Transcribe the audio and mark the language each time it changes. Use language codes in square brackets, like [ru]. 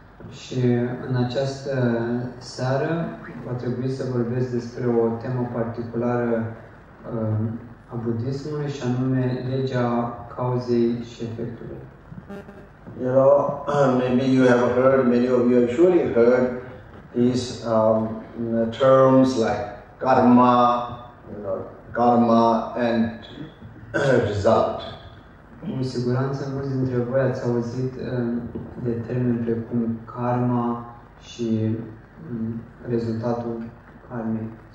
[ro] Și în această seară va trebui să vorbesc despre o temă particulară a buddhismului, și anume legea cauzei și efectului. [en] You know, maybe you have heard, many of you have surely heard these terms like karma, you know, karma and result. [ro] Cu siguranță mulți dintre voi ați auzit de termeni precum karma și rezultatul karmei.